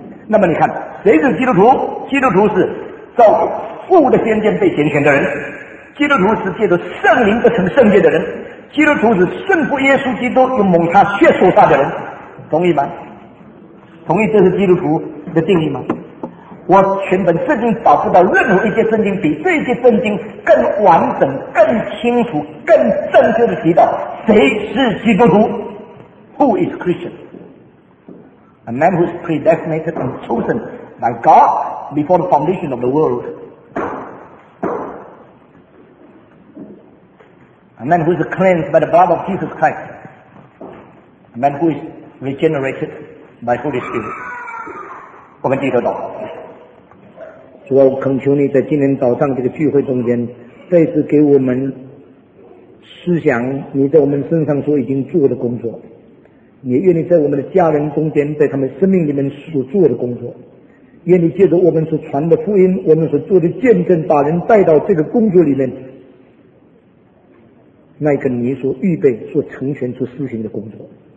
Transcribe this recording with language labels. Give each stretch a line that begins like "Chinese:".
Chinese: 那么你看，谁是基督徒？基督徒是照顾父的先见被拣选的人，基督徒是借着圣灵得成圣洁的人，基督徒是顺服耶稣基督又蒙他血所杀的人，同意吗？同意这是基督徒的定义吗？我全本圣经找不到任何一些圣经比这些圣经更完整、更清楚、更正确的提到谁是基督徒。
English: Who is Christian? A man who is predestinated and chosen by God before the foundation of the world. A man who is cleansed by the blood of Jesus Christ. A man who is regenerated by Holy Spirit.
Chinese: 我们低头祷告。主啊，我恳求你在今天早上这个聚会中间，再次给我们思想你在我们身上所已经做的工作。也愿你在我们的家人中间，在他们生命里面所做的工作。愿你借着我们所传的福音，我们所做的见证，把人带到这个工作里面，那一个你所预备所成全所施行的工作。